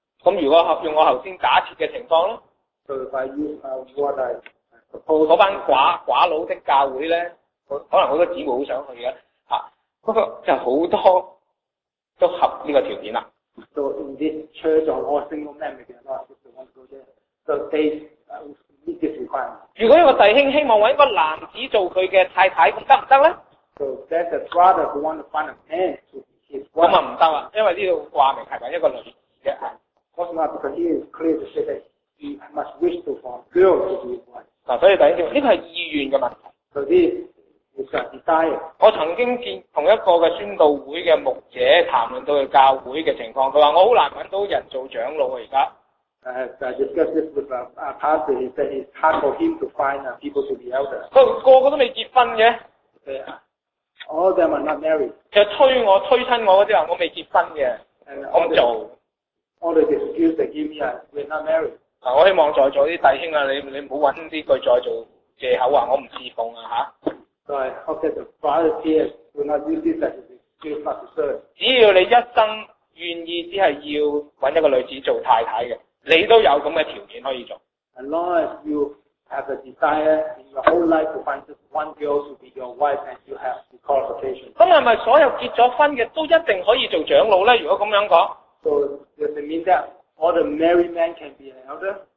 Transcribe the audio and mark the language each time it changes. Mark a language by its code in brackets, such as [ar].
[yue] 咁如果用我頭先假設嘅情況咯，嗰班寡佬的教會呢，可能好多姊妹好想去嘅，不過就好多都合呢個條件啦。 [en] So in this church or all single men maybe a lot of people want to go there. So they need this requirement. [yue] 如果一個弟兄希望揾個男子做佢嘅太太，咁得唔得咧 [en] ？So there's a brother who want to find a man to be his wife. [yue] 咁啊唔得啦，因為呢度掛明係揾一個女子嘅。 [en] Because he is clear to say that he must wish to for a girl to be his wife. [yue] 所以弟兄，呢個係意願嘅問題。 [en] So this is a desire. [yue] 我曾經見同一個嘅宣道會嘅牧者談論到佢教會嘅情況，佢話我好難揾到人做長老啊！而家。 [en] I discussed this with a pastor. He said it's hard for him to find people to be elder. [yue] 個個都未結婚嘅。 [en] Yeah. All of them are not married. [yue] 其實推我推親我嗰啲人，我未結婚嘅，我唔做。 [en] All the excuse they give me are we're not married. [yue] 我希望在座啲弟兄啊，你唔好揾啲句再做藉口話我唔侍奉啊嚇。 [en] So I hope that the brothers here will not use this as an excuse not to serve. [yue] 只要你一生願意只係要揾一個女子做太太嘅，你都有咁嘅條件可以做。 [en] As long as you have a desire in your whole life to find just one girl to be your wife and you have the qualification. [yue] 咁係咪所有結咗婚嘅都一定可以做長老咧？如果咁樣講 [en] ，So does it mean that all the married men can be an elder?